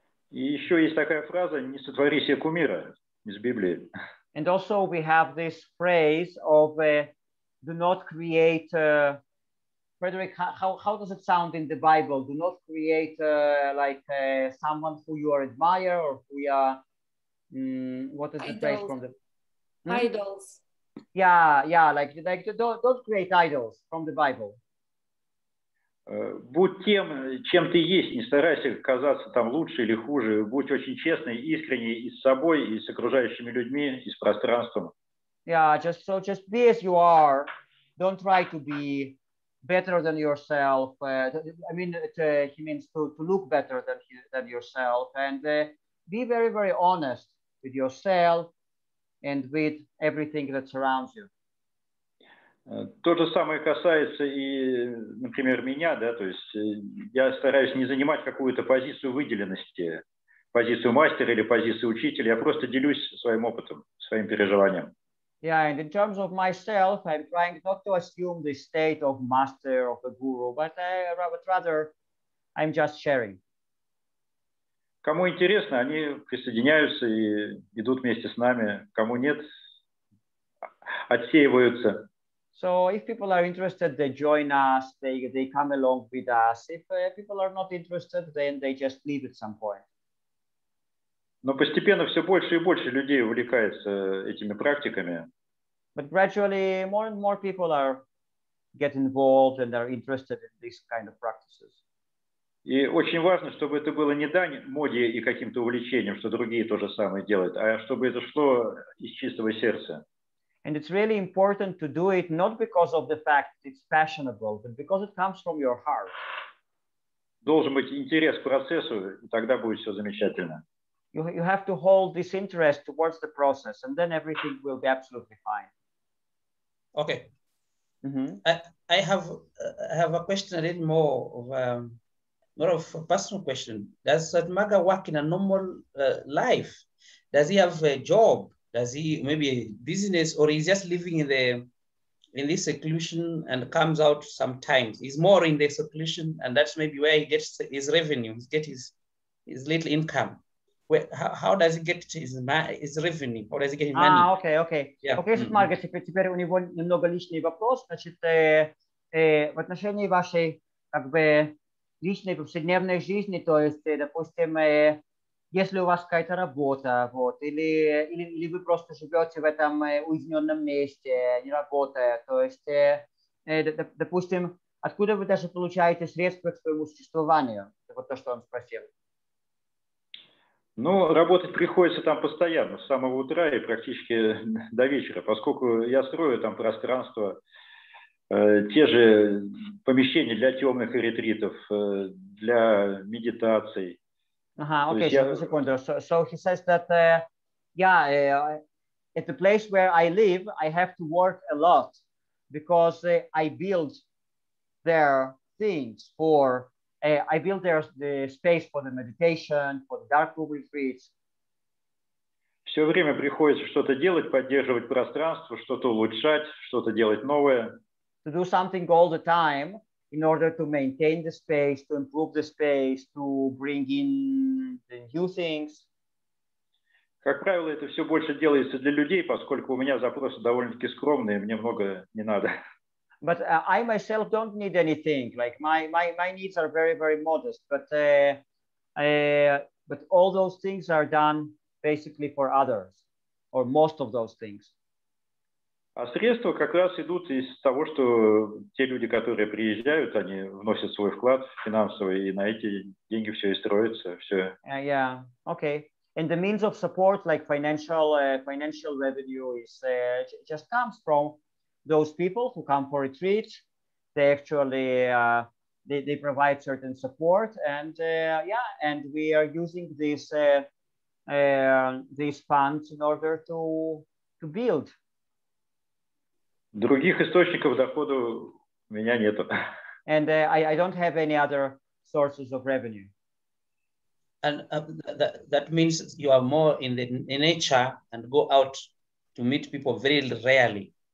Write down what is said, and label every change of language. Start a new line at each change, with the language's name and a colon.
Russian: И еще есть такая фраза: не сотвори себе кумира, из Библии.
English: And also we have this phrase of do not create Frederick, how does it sound in the Bible? Do not create someone who you admire or who you are what is the phrase from the idols. Don't create idols from the Bible.
Russian: Будь тем, чем ты есть, не старайся казаться там лучше или хуже, будь очень честный, искренний и с собой, и с окружающими людьми, и с пространством.
English: Yeah, just be as you are. Don't try to be better than yourself. He means to look better than yourself, and be very, very honest with yourself and with everything that surrounds you.
Russian: То же самое касается и, например, меня, да, то есть я стараюсь не занимать какую-то позицию выделенности, позицию мастера или позицию учителя, я просто делюсь своим опытом, своим переживанием.
English: Yeah, and in terms of myself, I'm trying not to assume the state of master, of a guru, but rather I'm just sharing.
Russian: Кому интересно, они присоединяются и идут вместе с нами. Кому нет, отсеиваются.
English: So if people are interested, they join us, they come along with us. If people are not interested, then they just leave at some point.
Russian: Но постепенно все больше и больше людей увлекается этими практиками.
English: But gradually more and more people are get involved and are interested in these kind of practices.
Russian: И очень важно, чтобы это было не дань моде и каким-то увлечением, что другие то же самое делают, а чтобы это шло из чистого сердца.
English: And it's really important to do it not because of the fact that it's fashionable, but because it comes from your heart.
Russian: Должен быть интерес к процессу, и тогда будет все замечательно.
English: You have to hold this interest towards the process, and then everything will be absolutely fine. Okay. Mm-hmm. I have a question a little more of more of a personal question. Does Sadhmaga work in a normal life? Does he have a job? Does he maybe a business, or is just living in this seclusion and comes out sometimes? He's more in the seclusion, and that's maybe where he gets his revenue, he gets his little income. How does he get his revenue? How does he get his money? Okay. Yeah.
Russian: Okay, Сатмарга, теперь у него немного личный вопрос. Значит, в отношении вашей как бы личной повседневной жизни, то есть, допустим, если у вас какая-то работа, вот, или вы просто живете в этом уединенном месте, не работая, то есть, допустим, откуда вы даже получаете средства к своему существованию? Это вот то, что он спросил. Ну, работать приходится там постоянно, с самого утра и практически до вечера, поскольку я строю там пространство, те же помещения для темных ретритов, для медитаций.
English: Okay, so,
Russian: секунду.
English: So he says that, at the place where I live, I have to work a lot because I build their things for, I build their the space for the meditation, for the dark room retreats.
Russian: Все время приходится что-то делать, поддерживать пространство, что-то улучшать, что-то делать новое.
English: To do something all the time in order to maintain the space, to improve the space, to bring in the new things.
Russian: Как правило, это все больше делается для людей, поскольку у меня запросы довольно-таки скромные, мне много не надо.
English: But I myself don't need anything. Like my needs are very, very modest. But all those things are done basically for others, or most of those things.
Russian: А средства как раз идут из того, что те люди, которые приезжают, они вносят свой вклад финансовый, и на эти деньги все и строится, все.
English: Okay. And the means of support, like financial revenue, is just comes from those people who come for retreat. They actually they provide certain support, and and we are using this these funds in order to build.
Russian: Других источников дохода у меня нету.
English: And I don't have any other sources of revenue. And that means you are more in the nature and go out to meet people very rarely.